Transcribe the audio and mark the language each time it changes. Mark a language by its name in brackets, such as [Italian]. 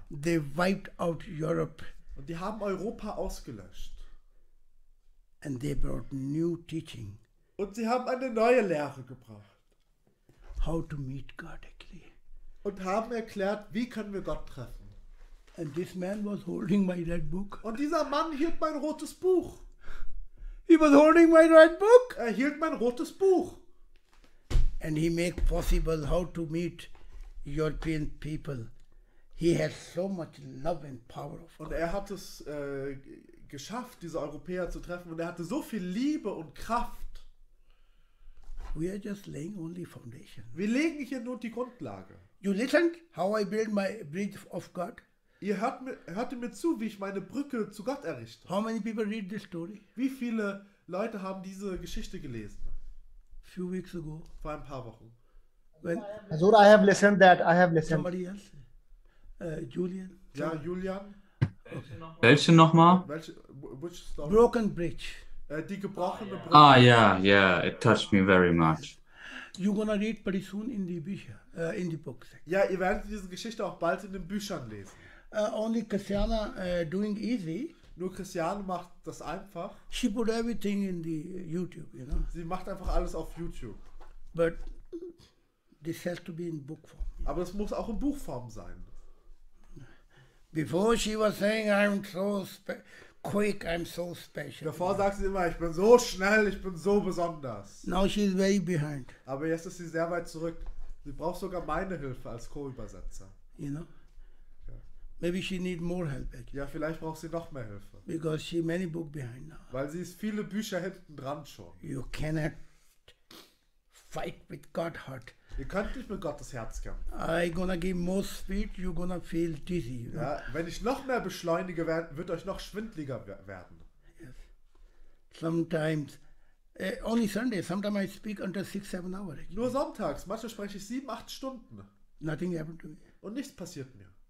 [English] They wiped out Europe. [German] Und die haben Europa ausgelöscht. [English] And they brought new teaching. [German] Und sie haben eine neue Lehre gebracht. [English] How to meet God, actually. [German] Und haben erklärt, wie können wir Gott treffen. [English] And this man was holding my red book. [German] Und dieser Mann hielt mein rotes Buch. [English] He was holding my red book. [German] Er hielt mein rotes Buch. [English] And he made possible how to meet European people. He has so much love and power of God. [German] Und er hat es geschafft, diese Europäer zu treffen. Und er hatte so viel Liebe und Kraft. [English] We are just laying only foundation. [German] Wir legen hier nur die Grundlage. [English] You listened how I build my bridge of God? [German] Ihr hörte mir zu, wie ich meine Brücke zu Gott errichte. [English] How many people read this story? [German] Wie viele Leute haben diese Geschichte gelesen? [English] Few weeks ago. [German] Vor ein paar Wochen. [English] When? Azur, I have listened that. I have listened. Somebody else? Julian? [German] Ja, Julian. Okay. Welche nochmal? [English] Which story? Broken bridge. [German] Die gebrochene [English] Brücke. Ah, yeah, it touched me very much. You're gonna read pretty soon in the Bücher, in the books. [German] Ja, ihr werdet diese Geschichte auch bald in den Büchern lesen. [English] Only Christiana doing easy. [German] Nur Christiane macht das einfach. [English] She put everything in the YouTube, you know. [German] Sie macht einfach alles auf YouTube. [English] But this has to be in book form. [German] Aber es muss auch in Buchform sein. [English] Before she was saying, I'm so quick, I'm so special. [German] Davor sagt sie immer, ich bin so schnell, ich bin so besonders. [English] Now she's very behind. [German] Aber jetzt ist sie sehr weit zurück. Sie braucht sogar meine Hilfe als Co-Übersetzer. [English] You know? Ja. Maybe she need more help. Actually. [German] Ja, vielleicht braucht sie noch mehr Hilfe. [English] Because she many book behind now. [German] Weil sie ist viele Bücher hinten dran schon. [English] You cannot fight with God's heart. [German] Ihr könnt nicht mit Gottes Herz kämpfen. [English] I'm gonna give more speed, you're gonna feel dizzy. You know? [German] Ja, wenn ich noch mehr beschleunige, wird euch noch schwindliger werden. [English] Yes. Sometimes, only Sunday, sometimes I speak until 6-7 hours. [German] Nur sonntags, manchmal spreche ich 7-8 Stunden. [English] Nothing happened to me. [German] Und nichts passiert mir.